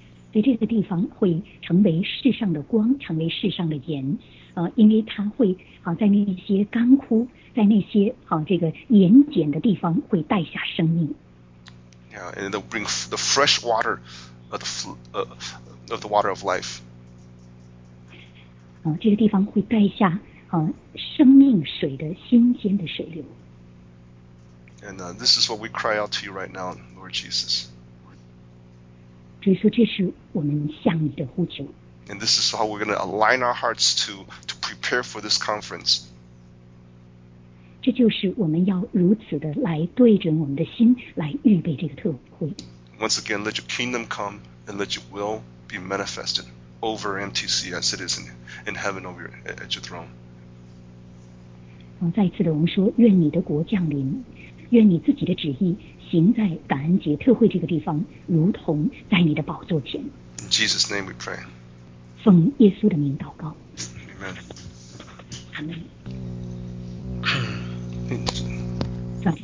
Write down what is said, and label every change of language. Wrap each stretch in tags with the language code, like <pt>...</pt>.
<zh>所以这个地方会成为世上的光，成为世上的盐，因为它会在那些干枯，在那些这个盐碱的地方会带下生命。</zh> <en>and they'll bring the fresh water of the water of life.</en> <zh>这个地方会带下生命水的新鲜的水流。</zh> <en>And this is what we cry out to you right now, Lord Jesus.</en> <zh>主说这是我们向你的呼求。</zh> <en>And this is how we're going to align our hearts to prepare for this conference.</en> <zh>这就是我们要如此的来对准我们的心，来预备这个特会。</zh> <en>Once again, let your kingdom come and let your will be manifested over MTC as it is in heaven over at your throne.</en> <zh>再次的，我们说，愿你的国降临，愿你自己的旨意行在感恩节特会这个地方，如同在你的宝座前。</zh> <en>In Jesus' name we pray.</en> <zh>奉耶稣的名祷告。</zh> <en>Amen. Amen.</en>